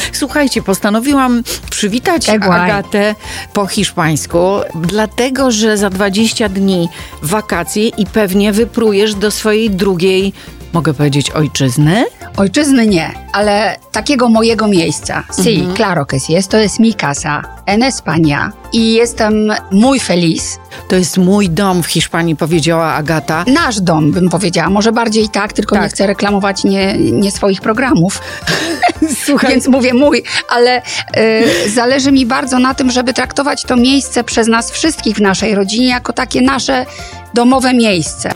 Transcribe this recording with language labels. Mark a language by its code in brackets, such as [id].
[pl] Słuchajcie, postanowiłam przywitać Agatę po hiszpańsku, dlatego że za 20 dni wakacje i pewnie wyprujesz do swojej drugiej, mogę powiedzieć, ojczyzny? Ojczyzny nie, ale takiego mojego miejsca. [es] Sí, claro que sí. Esto es mi casa en España. [pl] I jestem [es] muy feliz. [pl] To jest mój dom w Hiszpanii, powiedziała Agata. Nasz dom, bym powiedziała. Może bardziej tak, tylko tak. Nie chcę reklamować nie swoich programów. Słuchaj. Więc mówię mój, ale zależy mi bardzo na tym, żeby traktować to miejsce przez nas wszystkich w naszej rodzinie jako takie nasze domowe miejsce.